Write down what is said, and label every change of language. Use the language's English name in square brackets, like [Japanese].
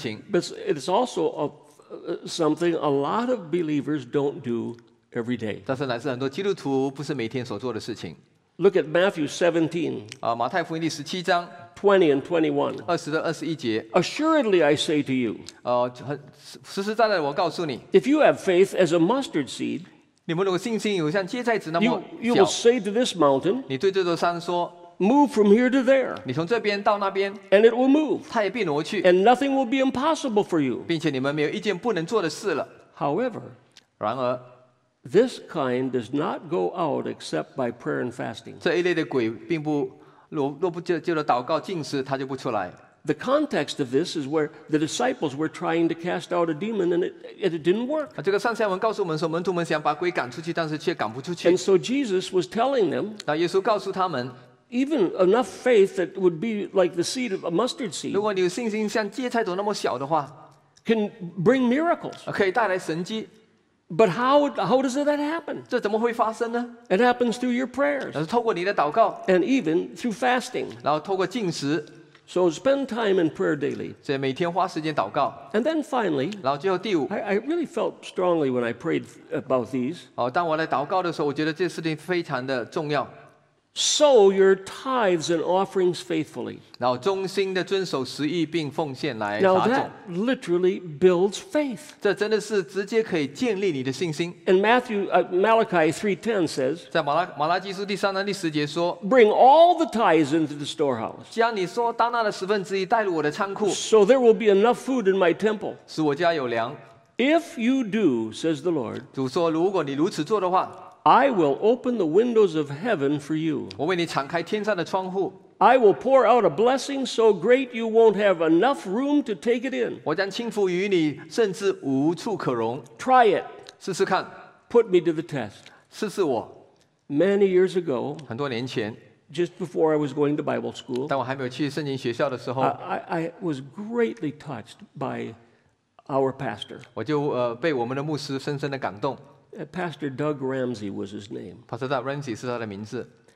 [English] But it's also something a lot of believers don't do every day. [Chinese] 但是乃是很多基督徒不是每天所做的事情。 [English] Look at Matthew 17. [Chinese] 马太福音第十七章 [English] 20 and 21. [Chinese] 二十到二十一节。 [English] Assuredly, I say to you. [Chinese] 实实在在我告诉你。 [English] If you have faith as a mustard seed, [Chinese] 你们如果信心有像芥菜籽那么小 [English] you will say to this mountain, [Chinese] 你对这座山说。 [English] Move from here to there. [Chinese] 你从这边到那边 [English] and it will move. [Chinese] 它也必挪去 [English] and nothing will be impossible for you. [Chinese] 并且你们没有一件不能做的事了 [English] However, [Chinese] 然而 [English] this kind does not go out except by prayer and fasting. [Chinese] 这一类的鬼并不若不就了祷告禁食，它就不出来 [English] The context of this is where the disciples were trying to cast out a demon, and it didn't work. [Chinese] 这个上下文告诉我们说，门徒们想把鬼赶出去，但是却赶不出去 [English] And so Jesus was telling them. [Chinese] 那耶稣告诉他们。 [English] Even enough faith that would be like the seed of a mustard seed. [Chinese] 如果你有信心像芥菜籽那么小的话 [English] can bring miracles. [Chinese] 可以带来神迹 [English] But how does that happen? [Chinese] 这怎么会发生呢 [English] It happens through your prayers. [Chinese] 那是透过你的祷告 [English] And even through fasting. [Chinese] 然后透过禁食 [English] So spend time in prayer daily. [Chinese] 所以每天花时间祷告 [English] And then finally, [Chinese] 然后最后第五 [English] I really felt strongly when I prayed about these. [Chinese] 当我来祷告的时候，我觉得这事情非常的重要。 [English] Sow your tithes and offerings faithfully. [Chinese] 然后忠心的遵守十亿并奉献来撒种。 [English] Now that literally builds faith. [Chinese] 这真的是直接可以建立你的信心。 [English] And Malachi 3:10 says. [Chinese] 在马拉基书第三章第十节说。 [English] Bring all the tithes into the storehouse. [Chinese] 将你所当纳的十分之一带入我的仓库。 [English] So there will be enough food in my temple. [Chinese] 使我家有粮。 [English] If you do, says the Lord. [Chinese] 主说，如果你如此做的话。 [English] I will open the windows of heaven for you. [Chinese] 我为你敞开天上的窗户。 [English] I will pour out a blessing so great you won't have enough room to take it in. [Chinese] 我将倾覆于你，甚至无处可容。 [English] Try it. [Chinese] 试试看。 [English] Put me to the test. [Chinese] 试试我。 [English] Many years ago, [Chinese] 很多年前 [English] just before I was going to Bible school, [Chinese] 当我还没有去圣经学校的时候 [English] I was greatly touched by our pastor. [Chinese] 我就被我们的牧师深深的感动。 [English] Pastor Doug Ramsey was his name. [Chinese] Pastor Doug Ramsey 是他的名字。